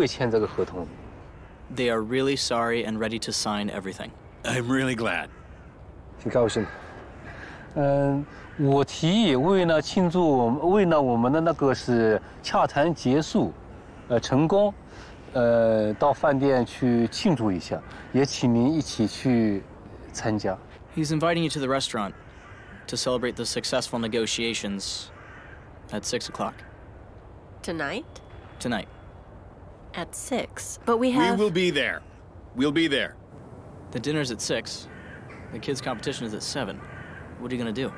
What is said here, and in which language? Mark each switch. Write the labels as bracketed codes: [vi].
[en] They are really sorry and ready to sign everything. I'm really glad. [zh] 挺高兴。我提议为了庆祝我们的那个是洽谈结束，成功，到饭店去庆祝一下，也请您一起去参加。 [en] He's inviting you to the restaurant to celebrate the successful negotiations at 6 o'clock. Tonight? Tonight. At 6, but we have... We will be there. We'll be there. The dinner's at 6. The kids' competition is at 7. What are you gonna do?